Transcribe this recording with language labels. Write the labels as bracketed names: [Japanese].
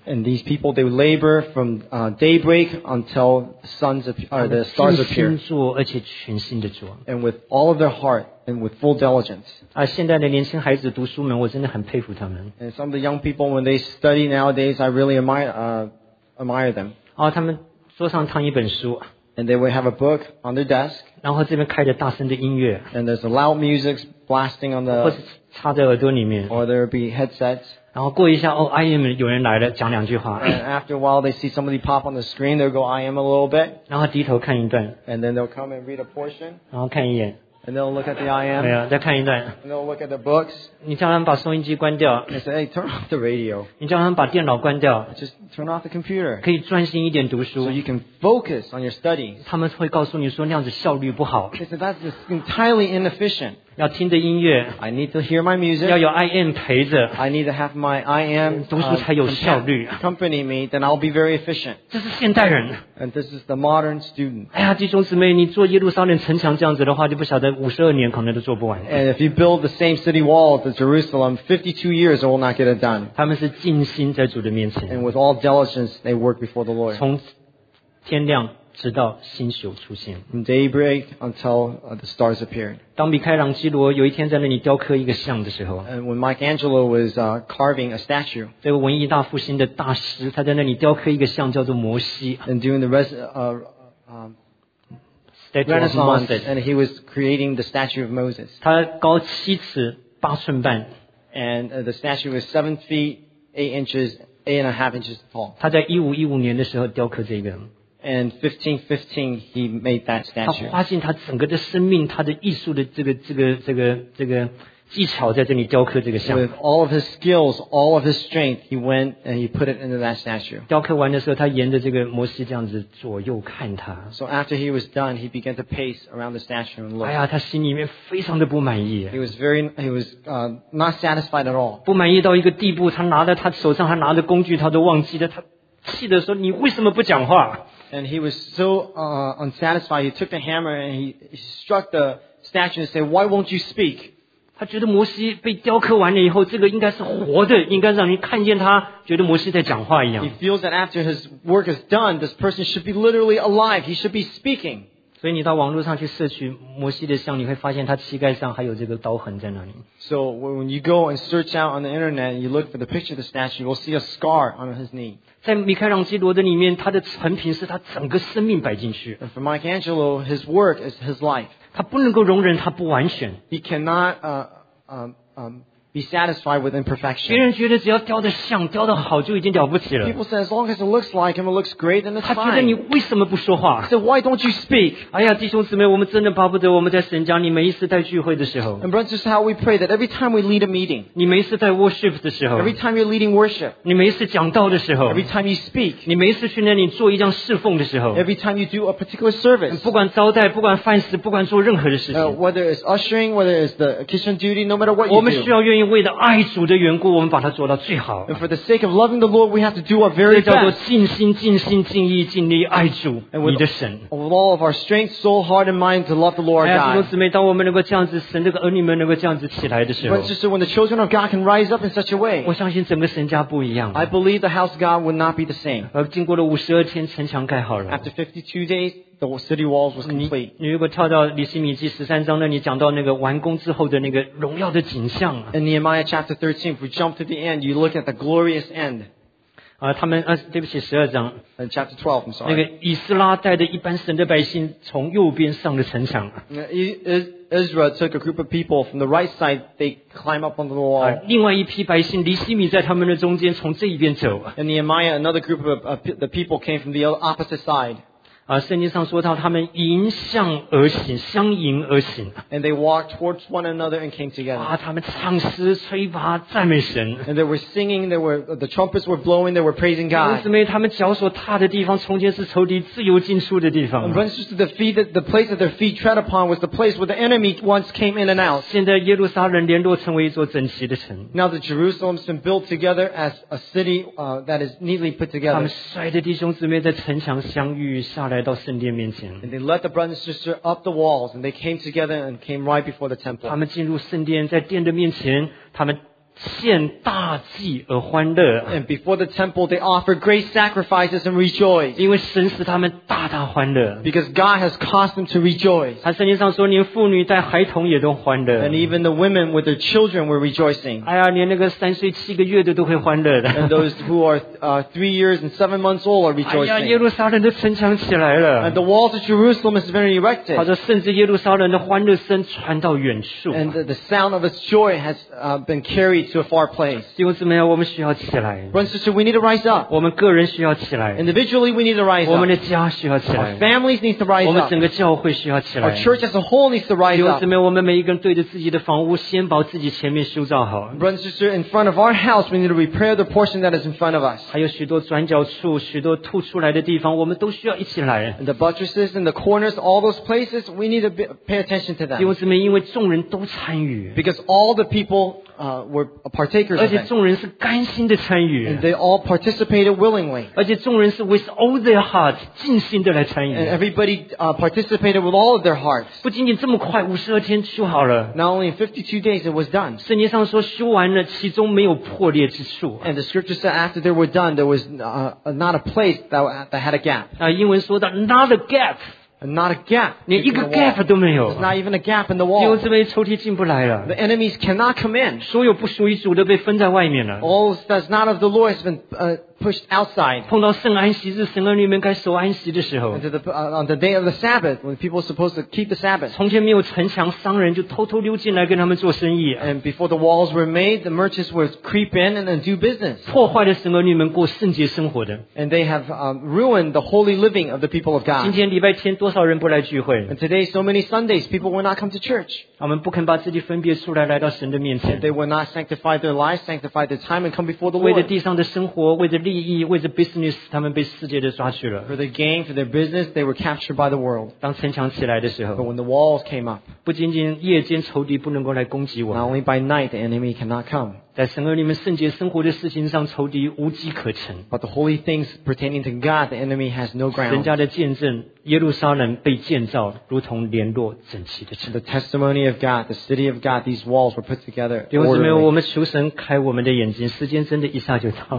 [English] And these people, they labor from daybreak until the stars appear. [Chinese] 尽心做，而且全心的做。 [English] And with all of their heart. And with full diligence. [Chinese] 啊，现在的年轻孩子读书们，我真的很佩服他们。 [English] And some of the young people when they study nowadays, I really admire them. [Chinese] 啊，他们桌上躺一本书。 [English] And they would have a book on their desk. [Chinese] 然后这边开着大声的音乐。 [English] And there's a loud music blasting on the. [Chinese] 或是插在耳朵里面。 [English] Or there be headsets. [Chinese] 然后过一下，哦， [English] I am [Chinese] 有人来了，讲两句话。 [English] And after a while, they see somebody pop on the screen. They'll go, I am a little bit. [Chinese] 然后低头看一段。 [English] And then they'll come and read a portion. [Chinese] 然后看一眼。 [English] And they'll look at the IM. [Chinese] 没有，再看一段。 [English] And they'll look at the books. [Chinese] 你叫他们把收音机关掉。 [English] And say, hey, turn off the radio. [Chinese] 你叫他们把电脑关掉。 [English] Just turn off the computer. [Chinese] 可以专心一点读书。 [English] So you can focus on your study. [Chinese] 他们会告诉你说那样子效率不好。 [English] They say that's entirely inefficient. [Chinese] 要听着音乐。 [English] I need to hear my music. [Chinese] 要有 IM 陪着。 [English] I need to have my IM. [Chinese] 读书才有效率。 [English] Company me, then I'll be very efficient. [Chinese] 这是现代人。 [English] And this is the modern student. [Chinese] 哎呀，弟兄姊妹，你做耶路撒冷城墙这样子的话，就不晓得。 [English] And if you build the same city wall to Jerusalem, 52 years will not get it done. [Chinese] 他们是尽心在主的面前。 [English] And with all diligence, they work before the Lord. [Chinese] 从天亮直到星宿出现。 [English] From daybreak until the stars appeared. [Chinese] 当米开朗基罗有一天在那里雕刻一个像的时候。 [English] And when Michelangelo was carving a statue. [Chinese] 这个文艺大复兴的大师，他在那里雕刻一个像，叫做摩西。 [English] And during the Renaissance, and he was creating the statue of Moses. [Chinese] 他高七尺八寸半 [English] and the statue was 7 feet 8 inches, 8.5 inches tall. [Chinese] 他在1515年的时候雕刻这个。 [English] And 1515, he made that statue. [Chinese] 他花尽他整个的生命，他的艺术的这个技巧在这里雕刻这个像。 [English] With all of his skills, all of his strength, he went and he put it into that statue. [Chinese] 雕刻完的时候，他沿着这个摩西这样子左右看他。 [English] So after he was done, he began to pace around the statue and look. [Chinese] 哎呀，他心里面非常的不满意。 [English] He was not satisfied at all. [Chinese] 不满意到一个地步，他拿着他手上还拿着工具，他都忘记了。他气的说：“你为什么不讲话？” [English] And he was so unsatisfied. He took the hammer and he struck the statue and said, "Why won't you speak?" [Chinese] 他觉得摩西被雕刻完了以后，这个应该是活的，应该让人看见他，觉得摩西在讲话一样。 [English] He feels that after his work is done, this person should be literally alive. He should be speaking. [Chinese] 所以你到网络上去摄取摩西的像，你会发现他膝盖上还有这个刀痕在那里。 [English] So when you go and search out on the internet, you look for the picture of the statue, you will see a scar on his knee. [Chinese] 在米开朗基罗的里面，他的成品是他整个生命摆进去。 [English] And for Michelangelo, his work is his life. [Chinese] 他不能够容忍他不完全。 [English] He cannot be satisfied with imperfection. [Chinese] 别人觉得只要雕得像、雕得好就已经了不起了。 [English] People say as long as it looks like him, it looks great, then it's fine. [Chinese] 他觉得你为什么不说话 [English] ？So why don't you speak? [Chinese] 哎呀，弟兄姊妹，我们真的巴不得我们在神家里每一次带聚会的时候。 [English] And brothers, this is how we pray that every time we lead a meeting. [Chinese] 你每一次带 worship 的时候。 [English] Every time you're leading worship. [Chinese] 你每一次讲道的时候。 [English] Every time you speak. [Chinese] 你每一次去那里做一项侍奉的时候。 [English] Every time you do a particular service. [Chinese] 不管招待、不管饭食、不管做任何的事情。 [English] Whether it's ushering, whether it's the kitchen duty, no matter what you do. [Chinese] 我们需要愿意。为了爱主的缘故，我们把它做到最好。 [English] And for the sake of loving the Lord, we have to do our very best. [Chinese] 这叫做尽心、尽心、尽意、尽力爱主，你的神。 [English] With all of our strength, soul, heart, and mind to love the Lord God. [Chinese] 弟兄姊妹，当我们能够这样子，神这个儿女们能够这样子起来的时候。 [English] But just when the children of God can rise up in such a way. [Chinese] 我相信整个神家不一样。 [English] I believe the house of God would not be the same. [Chinese] 而经过了52天，城墙盖好了。 [English] After 52 days. The city walls was complete. [Chinese] 你如果跳到尼希米记十三章那里，讲到那个完工之后的那个荣耀的景象。 [English] In Nehemiah chapter 13, if we jump to the end, you look at the glorious end. [Chinese] 他们对不起，十二章。 [English] In chapter 12, I'm sorry. [Chinese] 那个以斯拉带着一班神的百姓从右边上的城墙。 [English] Israel took a group of people from the right side. They climb up onto the wall. [Chinese] 另外一批百姓，尼希米在他们的中间从这一边走。 [English] In Nehemiah, another group of the people came from the opposite side. [Chinese] 圣经上说到他们迎向而行，相迎而行。 [English] And they walked towards one another and came together. [Chinese] 他们唱诗、吹拔、赞美神。 [English] And they were singing, the trumpets were blowing, they were praising God. [Chinese] 弟兄姊妹，他们脚所踏的地方，从前是仇敌自由进出的地方。 [English] And brothers, the feet that the place that their feet tread upon was the place where the enemy once came in and out. [Chinese] 现在耶路撒冷联络成为一座整齐的城。 [English] Now the Jerusalem's been built together as a city that is neatly put together. [Chinese] 他们摔的弟兄姊妹在城墙相遇下来。 [English] And they led the brothers and sisters up the walls, and they came together and came right before the temple. [Chinese] 他们进入圣殿，在殿的面前，他们献大祭而欢乐。 [English] And before the temple, they offered great sacrifices and rejoiced. [Chinese] 因为神使他们大大欢乐。 [English] Because God has caused them to rejoice. [Chinese] 他圣经上说，连妇女带孩童也都欢乐。 [English] And even the women with their children were rejoicing. [Chinese] 哎呀，连那个三岁七个月的都会欢乐的。 [English] And those who are three years and 7 months old are rejoicing. [Chinese] 哎呀，耶路撒冷的城墙起来了。 [English] And the walls of Jerusalem is very erected. [Chinese] 好的，甚至耶路撒冷的欢乐声传到远处。 [English] And the sound of its joy has been carried. To a far place. [Chinese] 弟兄姊妹，我们需要起来。 [English] Brothers and sisters, we need to rise up. [Chinese] 我们个人需要起来。 [English] Individually, we need to rise up. [Chinese] 我们的家需要起来。 [English] Our families need to rise up. [Chinese] 我们整个教会需要起来。 [English] Our church as a whole needs to rise up. [Chinese] 弟兄姊妹，我们每一个人对着自己的房屋，先把自己前面修造好。 [English] Brothers and sisters, in front of our house, we need to repair the portion that is in front of us. [Chinese] 还有许多转角处，许多凸出来的地方，我们都需要一起来。 [English] And the buttresses and the corners, all those places, we need to pay attention to them. [Chinese] 弟兄姊妹，因为众人都参与。 [English] Because all the people. Were a partaker. [Chinese] 而且众人是甘心的参与。 [English] And they all participated willingly. [Chinese] 而且众人是 [English] with all their hearts [Chinese] 尽心的来参与。 [English] And everybody participated with all of their hearts. [Chinese] 不仅仅这么快，五十二天修好了。 [English] Not only in 52 days it was done. [Chinese] 圣经上说修完了，其中没有破裂之处。 [English] And the scripture said after they were done, there was not a place that had a gap. [Chinese] 英文说的 [English] not a gap. Not a gap. [Chinese] 连一个 gap 都没有。 [English] It's not even a gap in the wall. [Chinese] 弟兄姊妹，仇敌进不来了。 [English] The enemies cannot come in. [Chinese] 所有不属于主的被分在外面了。 [English] All that's not of the Lord has been pushed outside. [Chinese] 碰到圣安息日，神儿女们该守安息的时候。 [English] On the day of the Sabbath, when people are supposed to keep the Sabbath. [Chinese] 从前没有城墙，商人就偷偷溜进来跟他们做生意。 [English] And before the walls were made, the merchants would creep in and do business. [Chinese] 破坏了神儿女们过圣洁生活的。 [English] And they have ruined the holy living of the people of God. [Chinese] 今天礼拜天多少人不来聚会 [English] ？And today, so many Sundays, people will not come to church. [Chinese] 他们不肯把自己分别出来，来到神的面前。 [English] They will not sanctify their lives, sanctify their time, and come before the Lord. [Chinese] 为了地上的生活，为了利益，为了 business, 他们被世界的抓去了。 [English] For their gain, for their business, they were captured by the world. [Chinese] 当城墙起来的时候 [English] ，But when the walls came up, [Chinese] 不仅仅夜间仇敌不能够来攻击我 [English] ，Not only by night, the enemy cannot come. [Chinese] 在神儿女们圣洁生活的事情上，仇敌无机可乘。 [English] But the holy things pertaining to God, the enemy has no ground. [Chinese] 神家的见证，耶路撒冷被建造，如同联络整齐的城。 [English] The testimony of God, the city of God, these walls were put together. [Chinese] 弟兄姊妹，我们求神开我们的眼睛，时间真的一下就到了。